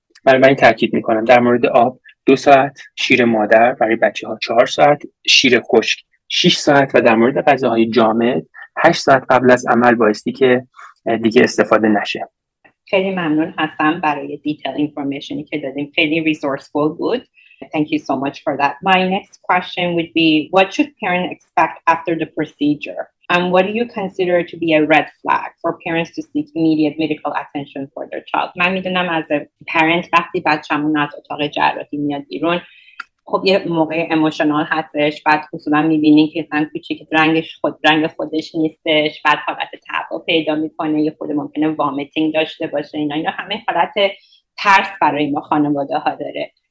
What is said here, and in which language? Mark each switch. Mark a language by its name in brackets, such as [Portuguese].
[Persian] برای من تاکید میکنم در مورد آب 2 ساعت، شیر مادر برای بچه ها 4 ساعت، شیر خشک 6 ساعت و در مورد غذاهای جامد 8 ساعت قبل از عمل بایستی که دیگه استفاده نشه. خیلی ممنون هستم برای دیتیل اینفورمیشنی که دادیم، خیلی ریسورسفول بود. [English] Thank you so much for that. My next question would be, what should parents expect after the procedure? And what do you consider to be a red flag for parents to seek immediate medical attention for their child? [Persian] من میدونم از پرنت وقتی بچه‌مون از اتاق جراحی میاد بیرون، خب یه موقع اموشنال هستش، بعد خصوصا میبینین که مثلا کوچیک رنگش خود رنگ خودش نیستش، بعد حالت تعب پیدا میکنه، یه خود ممکنه وامیتینگ داشته باشه، اینا همه حالت ترس برای ما خانواده ها داره.